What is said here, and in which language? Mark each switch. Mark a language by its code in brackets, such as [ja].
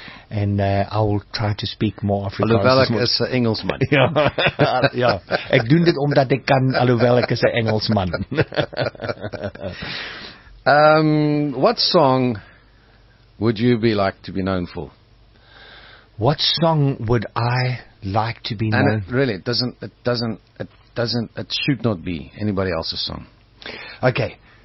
[en] And I will try to speak more Afrikaans. [af] Alhoewel ek is een Engelsman. ja, ek doen dit omdat ek kan, alhoewel ek is een Engelsman. [en] What song would you be like to be known for? What song would I like to be known? And it should not be anybody else's song. Okay.